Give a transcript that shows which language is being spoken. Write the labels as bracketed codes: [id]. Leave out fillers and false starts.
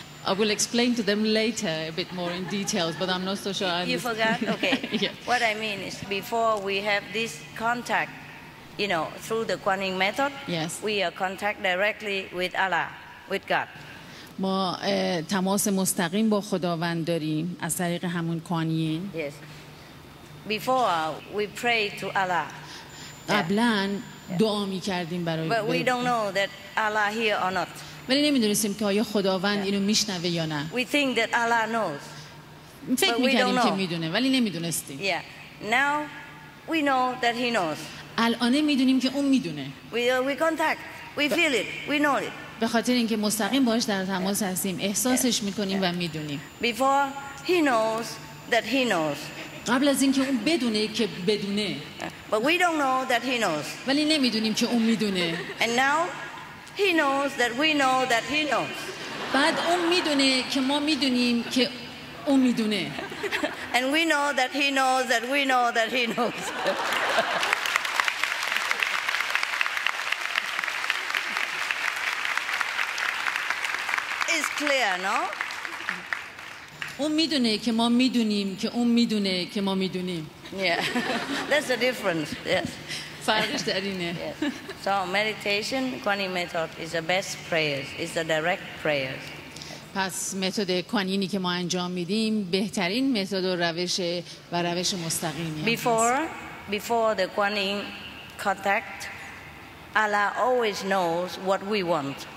[en] I will explain to them later a bit more in details, but I'm not so sure. You forgot? Okay. Yeah. What I mean is before we have this contact, you know, through the Kuan Yin method, yes. We are contact directly with Allah, with God. [fa] ما تماس مستقیم با خداوند داریم از طریق همون کوان یین. [en] Yes. Before we pray to Allah. [fa] قبلاً دعا می‌کردیم برای. [en] But we don't know that Allah hear or not. [fa] ولی نمی‌دونیم که آیا خداوند اینو می‌شنوه یا نه. [en] We think that Allah knows. [fa] فکر می‌کردیم که می‌دونه ولی نمی‌دونستیم. [en] Yeah. Now we know that He knows. [fa] الان می‌دونیم که اون می‌دونه. [en] We contact. We feel it. We know it. [fa] به خاطر اینکه مستقیم باهاش در تماس هستیم احساسش می‌کنیم و می‌دونیم. [en] Before He knows that He knows. [fa] قبل از اینکه اون بدونه که بدونه. [en] But we don't know that He knows. [fa] ولی نمی‌دونیم که اون می‌دونه. [en] And now He knows that we know that He knows. [fa] بعد اون می‌دونه که ما می‌دونیم که اون می‌دونه. [en] And we know that He knows that we know that He knows. Clear, no? [fa] اون میدونه که ما میدونیم که اون میدونه که ما میدونیم. [en] Yeah, that's the difference. Yes. [fa] فرقش در اینه. [en] So meditation, Kuan Yin method is the best prayers. It's the direct prayers. [fa] پس متد کوانینی که ما انجام میدیم بهترین متد و روش و روش مستقیمی. [en] Before the Kuan Yin contact, Allah always knows what we want.